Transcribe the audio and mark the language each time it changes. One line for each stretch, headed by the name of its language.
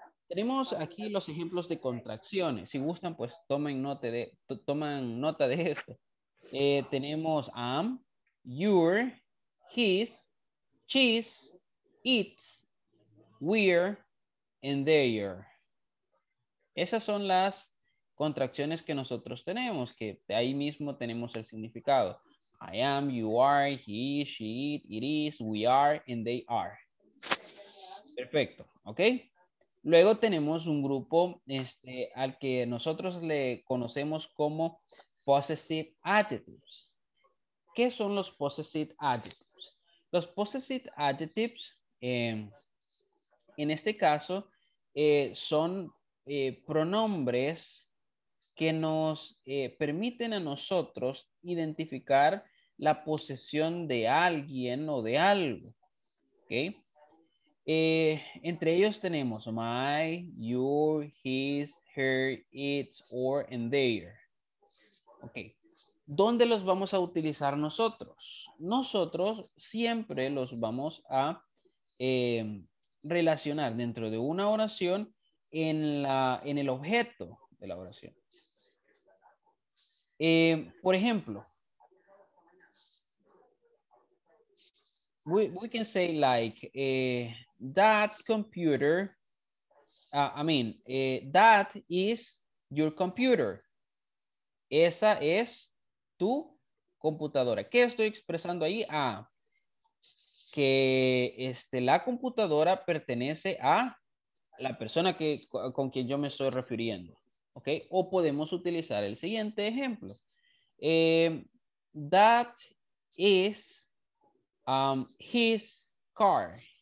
Spanish: Tenemos aquí los ejemplos de contracciones. Si gustan, pues toman nota de esto. Tenemos am, your, his, she's, it's, we're, and they're. Esas son las contracciones que nosotros tenemos, que de ahí mismo tenemos el significado.
English: I am, you are, he, she, it is, we are, and they are.
Spanish: Perfecto, ¿ok? Luego tenemos un grupo al que nosotros le conocemos como possessive adjectives. ¿Qué son los possessive adjectives? Los possessive adjectives, en este caso, son pronombres que nos permiten a nosotros identificar la posesión de alguien o de algo. ¿Okay? Entre ellos tenemos my, your, his, her, its, or, and their. Okay. ¿Dónde los vamos a utilizar nosotros? Nosotros siempre los vamos a relacionar dentro de una oración en el objeto de la oración. Por ejemplo,
English: we can say like, that computer, that is your computer.
Spanish: Esa es tu computadora. ¿Qué estoy expresando ahí? Ah, que la computadora pertenece a la persona que, con quien yo me estoy refiriendo. ¿Ok? O podemos utilizar el siguiente ejemplo.
English: That is his car.